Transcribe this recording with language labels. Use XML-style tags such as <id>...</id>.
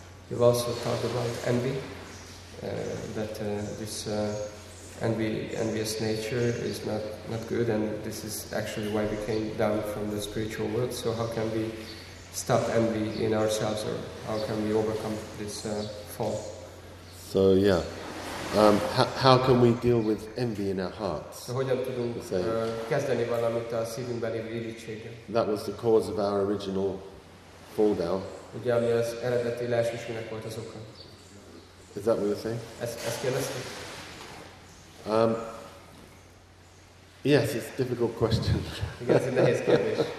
<en>You've also talked about envy, that this envious nature is not good, and this is actually why we came down from the spiritual world. So how can we stop envy in ourselves, or how can we overcome this fall? So yeah, how can we deal with envy in our hearts?</en> <hu>So hogyan tudunk kezdeni valamit a szívünkben lévő irítséggel?</hu> <en>That was the cause of our original fall down.</en> <hu>Ugye, ami az eredeti leesésünknek volt az oka.</hu> <en>Is that what you're saying?</en> <hu>Ezt kérdezted?</hu> <en>Yes, it's a difficult question.</en> <hu>Igen, ez egy nehéz kérdés.</hu>